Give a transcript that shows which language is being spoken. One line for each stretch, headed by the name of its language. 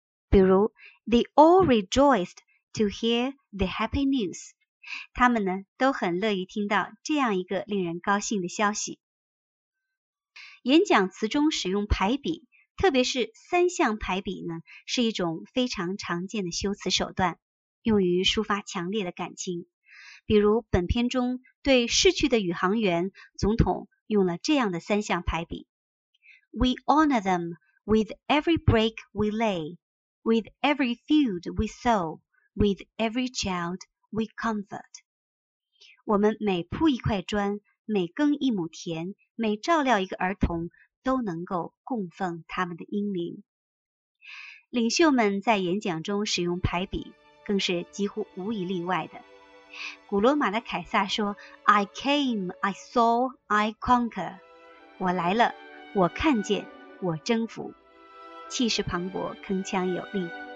Chinese: 比如
English: They all rejoiced to hear the happy news，
Chinese: 他们呢都很乐于听到这样一个令人高兴的消息。演讲词中使用排比，特别是三项排比呢，是一种非常常见的修辞手段，用于抒发强烈的感情。比如本片中对逝去的宇航员总统用了这样的三项排比
English: We honor them with every break we lay, with every field we sow, with every child we comfort.
Chinese: 我们每铺一块砖，每耕一亩田，每照料一个儿童，都能够供奉他们的英灵。领袖们在演讲中使用排比，更是几乎无一例外的。古罗马的凯撒说
English: I came, I saw, I conquer
Chinese: 我来了，我看见，我征服，气势磅礴，铿锵有力。